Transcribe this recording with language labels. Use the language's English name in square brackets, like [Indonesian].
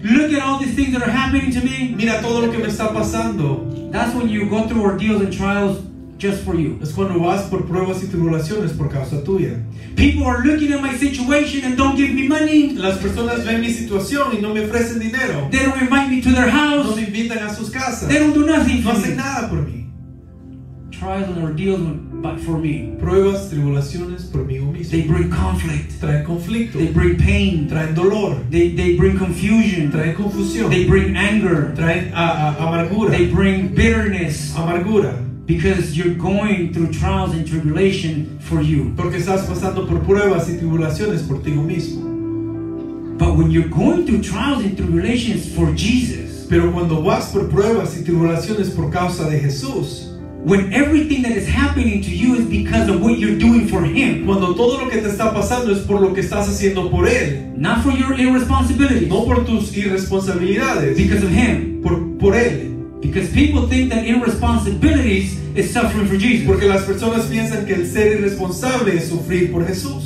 [English] Look at all these things that are happening to me. [Spanish] Mira todo lo que me está pasando. [English] That's when you go through ordeals and trials just for you. [Spanish] Es cuando vas por pruebas y tribulaciones por causa tuya. [English] People are looking at my situation and don't give me money. [Spanish] Las personas ven mi situación y no me ofrecen dinero. [English] They don't invite me to their house. [Spanish] No me invitan a sus casas. [English] They don't do nothing for me. [Spanish] No hacen nada por mí. [English] Trials and ordeals, but for me. [Spanish] Pruebas, tribulaciones por mí mismo. [English] They bring conflict. [Spanish] Traen conflicto. [English] They bring pain. [Spanish] Traen dolor. [English] They bring confusion. [Spanish] Traen confusión. [English] They bring anger. [Spanish] Traen amargura. [English] They bring bitterness. [Spanish] Amargura. [English] Because you're going through trials and tribulation for you. [Spanish] Porque estás pasando por pruebas y tribulaciones por ti mismo. [English] when you're going through trials and tribulations for Jesus, [Spanish] pero cuando vas por pruebas y tribulaciones por causa de Jesús, [English] when everything that is happening to you is because of what you're doing for Him, [Spanish] cuando todo lo que te está pasando es por lo que estás haciendo por Él, [English] not for your irresponsibility, [Spanish] no por tus irresponsabilidades, [English] because of Him, [Spanish] por Él. [English] Because people think that irresponsibilities is suffering for Jesus. [Spanish] Porque las personas piensan que el ser irresponsable es sufrir por Jesús.